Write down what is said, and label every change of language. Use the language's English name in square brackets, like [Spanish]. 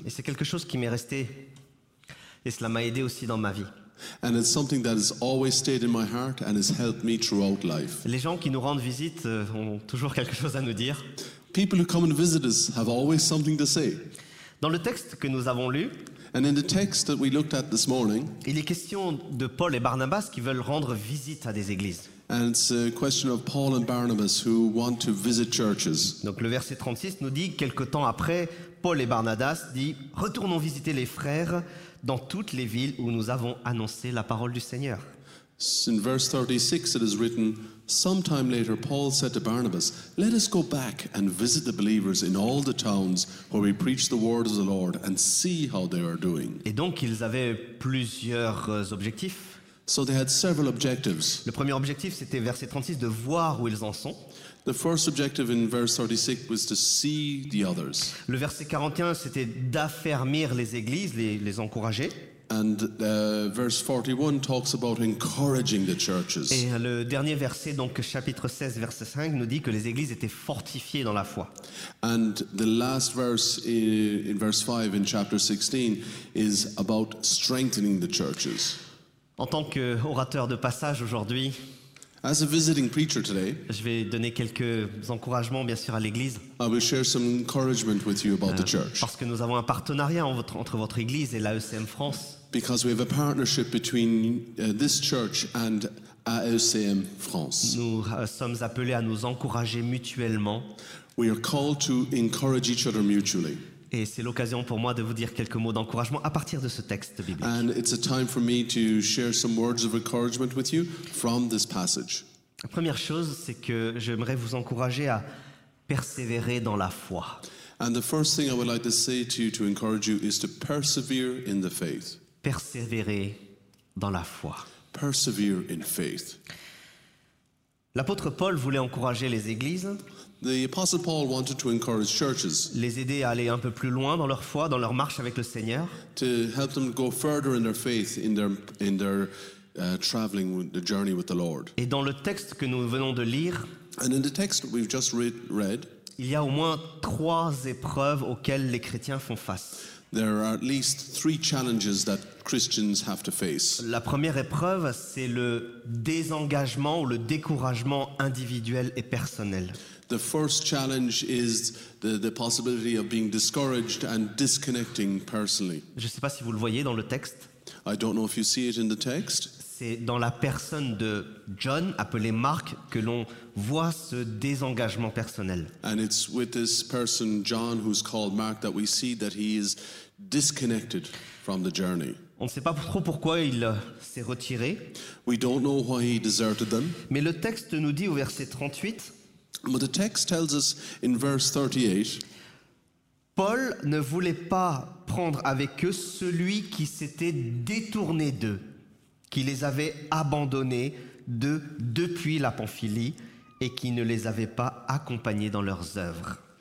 [French] Et c'est quelque chose qui m'est resté et cela m'a aidé aussi dans ma vie. [English] And it's something that has always stayed in my heart and has helped me throughout life. [French] Les gens qui nous rendent visite ont toujours quelque chose à nous dire. [English] People who come and visit us have always something to say. [French] Dans le texte que nous avons lu, [English] and in the text that we looked at this morning, [French] il est question de Paul et Barnabas qui veulent rendre visite à des églises. [English] And it's a question of Paul and Barnabas who want to visit churches. [French] Donc le verset 36 nous dit, quelque temps après, Paul et Barnabas dit, retournons visiter les frères dans toutes les villes où nous avons annoncé la parole du Seigneur. [English] In verse 36 it is written, sometime later Paul said to Barnabas, let us go back and visit the believers in all the towns where we preach the word of the Lord and see how they are doing. [French] Et donc ils avaient plusieurs objectifs. [English] So they had several objectives. [French] Le premier objectif, c'était verset 36, de voir où ils en sont. [English] The first objective in verse 36 was to see the others. [French] Le verset 41, c'était d'affermir les églises, les encourager. [English] And verse 41 talks about encouraging the churches. [French] Et le dernier verset, donc chapitre 16, verset 5, nous dit que les églises étaient fortifiées dans la foi. [English] And the last verse in verse 5 in chapter 16 is about strengthening the churches. [French] En tant qu'orateur de passage aujourd'hui, [English] as a visiting preacher today, [French] je vais donner quelques encouragements, bien sûr, à l'Église. [English] I will share some encouragement with you about the church. [French] Parce que nous avons un partenariat entre votre Église et l'AECM France. [English] Because we have a partnership between this church and AECM France. [French] Nous sommes appelés à nous encourager mutuellement. [English] We are called to encourage each other mutually. [French] Et c'est l'occasion pour moi de vous dire quelques mots d'encouragement à partir de ce texte biblique. [English] And it's a time for me to share some words of encouragement with you from this passage. [French] La première chose, c'est que j'aimerais vous encourager à persévérer dans la foi. [English] And the first thing I would like to say to you to encourage you is to persevere in the faith. [French] Persévérer dans la foi. [English] Persevere in faith. [French] L'apôtre Paul voulait encourager les églises. [English] The Apostle Paul wanted to encourage churches. [French] Les aider à aller un peu plus loin dans leur foi, dans leur marche avec le Seigneur. [English] To help them go further in their faith, in their traveling, the journey with the Lord. [French] Et dans le texte que nous venons de lire, [English] and in the text we've just read, [French] il y a au moins trois épreuves auxquelles les chrétiens font face. [English] There are at least three challenges that Christians have to face. [French] La première épreuve, c'est le désengagement ou le découragement individuel et personnel. [English] The first challenge is the possibility of being discouraged and disconnecting personally. [French] Je ne sais pas si vous le voyez dans le texte. [English] I don't know if you see it in the text. [French] C'est dans la personne de John, appelé Mark, que l'on voit ce désengagement personnel. [English] And it's with this person, John, who's called Mark, that we see that he is disconnected from the journey. [French] On ne sait pas trop pourquoi il s'est retiré. [English] We don't know why he deserted them. [French] Mais le texte nous dit au verset 38. [English] But the text tells us in verse 38. [French] Paul ne voulait pas prendre avec eux celui qui s'était détourné d'eux, qui les avait abandonnés d'eux depuis la Pamphylie et qui ne les avait pas accompagnés dans leurs œuvres.